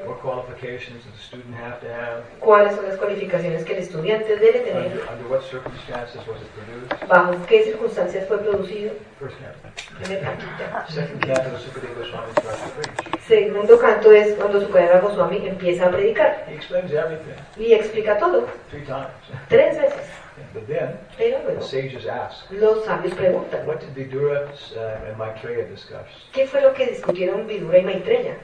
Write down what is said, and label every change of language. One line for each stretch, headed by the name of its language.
English: What qualifications does the student have to have?
Spanish: ¿Cuáles son las cualificaciones que el estudiante debe tener?
English: Under what circumstances was it produced?
Spanish: ¿Bajo qué circunstancias fue producido?
English: First canto.
Spanish: Primer canto.
English: Second canto is when Supadeva Swami starts to preach.
Spanish: Segundo canto es cuando Supadeva Goswami empieza a predicar.
English: He explains everything.
Spanish: Y explica todo.
English: Three times.
Spanish: Tres veces.
English: But then,
Spanish: pero luego,
English: the sages ask,
Spanish: los sabios preguntan,
English: what did Vidura and Maitreya discuss?
Spanish: ¿Qué fue lo que discutieron Vidura y Maitreya?